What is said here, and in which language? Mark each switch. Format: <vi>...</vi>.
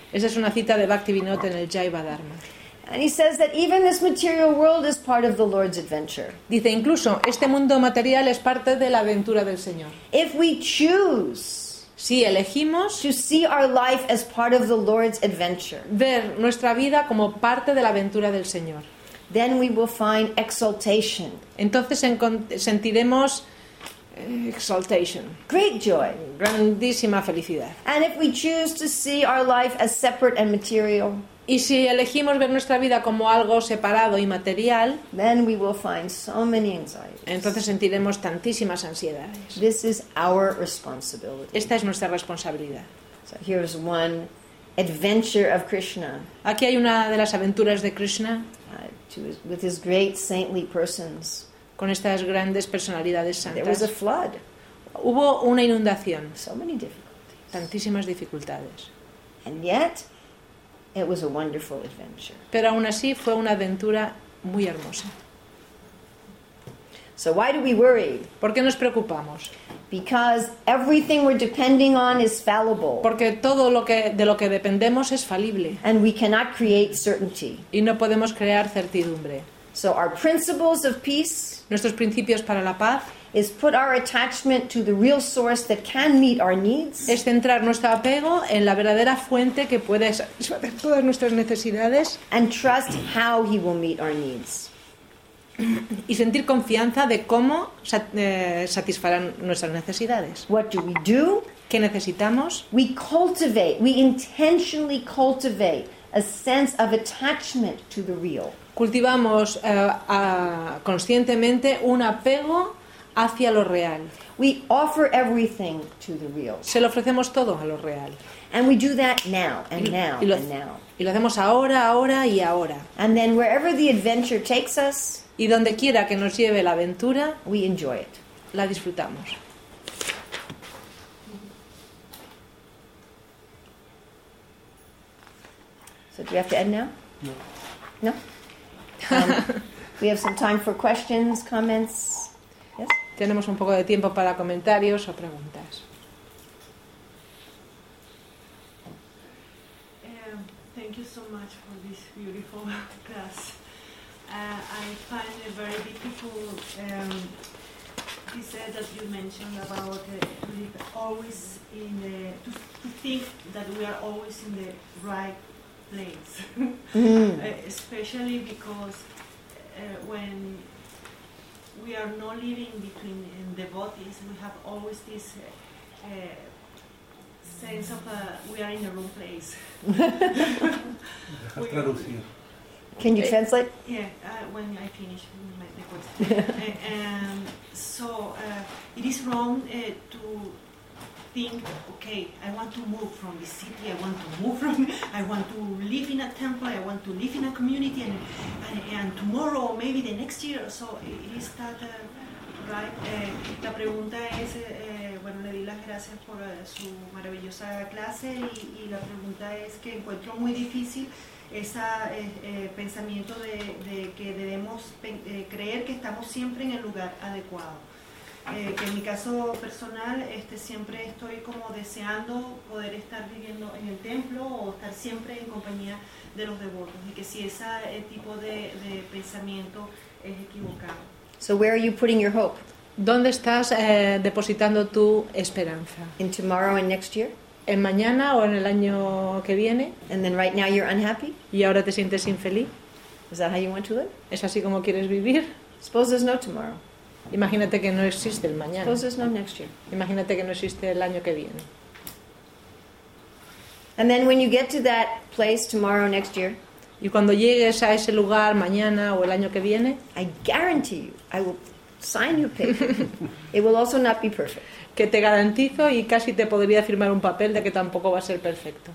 <es>Esa es una cita de Bhaktivinoda en el Jiva Dharma.</es> <en>And he says that even this material world is part of the Lord's adventure.</en> <es>Dice incluso este mundo material es parte de la aventura del Señor.</es> <en>If we choose,</en> <es>si elegimos,</es> <en>to see our life as part of the Lord's adventure,</en> <es>ver nuestra vida como parte de la aventura del Señor,</es> <en>then we will find exaltation.</en> <es>Entonces sentiremos exaltation.</es> <en>Great joy.</en> <es>Grandísima felicidad.</es> <en>And if we choose to see our life as separate and material,</en> <es>y si elegimos ver nuestra vida como algo separado y material,</es> <en>then we will find so many anxieties.</en> <es>Entonces sentiremos tantísimas ansiedades.</es> <en>This is our responsibility.</en> <es>Esta es nuestra responsabilidad.</es> <en>So here's one adventure of Krishna.</en> <es>Aquí hay una de las aventuras de Krishna.</es> <en>With his great saintly persons.</en> <es>Con estas grandes personalidades santas.</es> <en>There was a flood.</en> <es>Hubo una inundación.</es> <en>So many difficulties.</en> <es>Tantísimas dificultades.</es> <en>And yet, it was a wonderful adventure.</en> <es>Pero aún así fue una aventura muy hermosa.</es> <en>So why do we worry?</en> <es>¿Por qué nos preocupamos?</es> <en>Because everything we're depending on is fallible.</en> <es>Porque todo lo que dependemos es falible.</es> <en>And we cannot create certainty.</en> <es>Y no podemos crear certidumbre.</es> <en>So our principles of peace,</en> <es>nuestros principios para la paz,</es> <en>is put our attachment to the real source that can meet our needs.</en> <es>Es centrar nuestro apego en la verdadera fuente que puede satisfacer todas nuestras necesidades.</es> <en>And trust how he will meet our needs.</en> <es>Y sentir confianza de cómo satisfarán nuestras necesidades.</es> <en>What do we do?</en> <es>¿Qué necesitamos?</es> <en>We cultivate. We intentionally cultivate a sense of attachment to the real.</en> <es>Cultivamos conscientemente un apego hacia lo real.</es> <en>We offer everything to the real.</en> <es>Se lo ofrecemos todo a lo real.</es> <en>And we do that now and now and now.</en> <es>Y lo hacemos ahora, ahora y ahora.</es> <en>And then wherever the adventure takes us,</en> <es>y donde quiera que nos lleve la aventura,</es> <en>we enjoy it.</en> <es>La disfrutamos.</es> <en>So do we have to end now?</en> <es>No.</es> <en>No? We have some time for questions, comments.</en> <es>Tenemos un poco de tiempo para comentarios o preguntas.</es> <en>Thank you so much for this beautiful class. I find it very beautiful. You said that you mentioned about always in the to think that we are always in the right place, especially because when we are not living between devotees, we have always this sense of we are in the wrong place. Can you translate? When I finish the question. it is wrong to think, okay, I want to move from the city, I want to live in a temple, I want to live in a community, and tomorrow, maybe the next year, so is that right?</en> <es>La pregunta es, bueno, le di las gracias por su maravillosa clase, y la pregunta es que encuentro muy difícil ese pensamiento de que debemos creer que estamos siempre en el lugar adecuado. Que en mi caso personal siempre estoy como deseando poder estar viviendo en el templo o estar siempre en compañía de los devotos, y que si ese tipo de pensamiento es equivocado.</es> <en>So where are you putting your hope?</en> <es>¿Dónde estás depositando tu esperanza?</es> <en>In tomorrow and next year?</en> <es>¿En mañana o en el año que viene?</es> <en>And then right now you're unhappy?</en> <es>¿Y ahora te sientes infeliz?</es> <en>Is that how you want to live?</en> <es>¿Es así como quieres vivir?</es> <en>Suppose there's no tomorrow.</en> <es>Imagínate que no existe el mañana. Entonces,</es> <en>no next year.</en> <es>Imagínate que no existe el año que viene.</es> <en>And then when you get to that place tomorrow, next year,</en> <es>y cuando llegues a ese lugar mañana o el año que viene,</es> <en>I guarantee you, I will sign your paper. It will also not be perfect.</en> <es>Que te garantizo y casi te podría firmar un papel de que tampoco va a ser perfecto.</es>